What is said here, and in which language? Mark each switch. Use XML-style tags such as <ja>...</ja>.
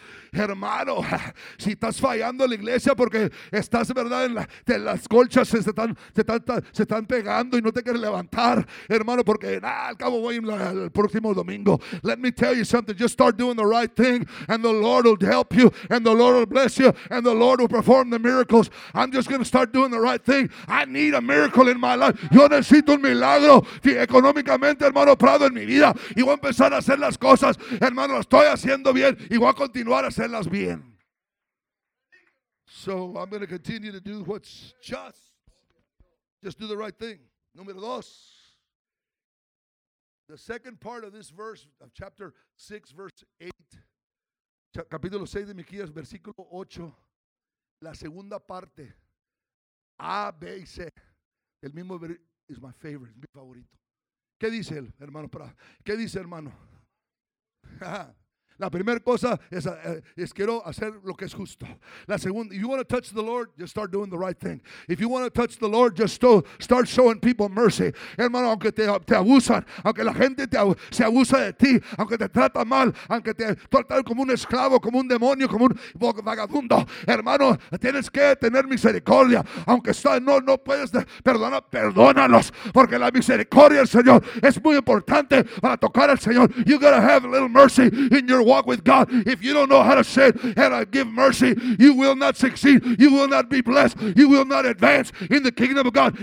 <es>Hermano, si estás fallando en la iglesia porque estás, verdad, en las colchas se están pegando y no te quieres levantar, hermano, porque al cabo voy el próximo domingo.</es> <en>Let me tell you something. Just start doing the right thing and the Lord will help you and the Lord will bless you and the Lord will perform the miracles. I'm just going to start doing the right thing. I need a miracle in my life.</en> <es>Yo necesito un milagro económicamente, hermano Prado, en mi vida. Y voy a empezar a hacer las cosas, hermano, estoy haciendo bien y voy a continuar hacerlas bien.</es> <en>So I'm going to continue to do what's just do the right thing.</en> <es>Número dos.</es> <en>The second part of this verse of chapter 6, verse 8.</en> <es>Capítulo 6 de Miquías, versículo 8. La segunda parte. A, B y C. El mismo</es> <en>is my favorite,</en> <es>mi favorito. ¿Qué dice él, hermano Prado? ¿Qué dice, hermano? La primera cosa es quiero hacer lo que es justo. La segunda,</es> <en>if you want to touch the Lord, just start doing the right thing. If you want to touch the Lord, just start showing people mercy.</en> <es>Hermano, aunque te abusan, aunque la gente se abusa de ti, aunque te trata mal, aunque te tratan como un esclavo, como un demonio, como un vagabundo, hermano, tienes que tener misericordia. Aunque no puedes perdonar, perdónalos, porque la misericordia del Señor es muy importante para tocar al Señor.</es> <en>You gotta have a little mercy in your walk with God. If you don't know how to say and give mercy, you will not succeed. You will not be blessed. You will not advance in the kingdom of God.</en>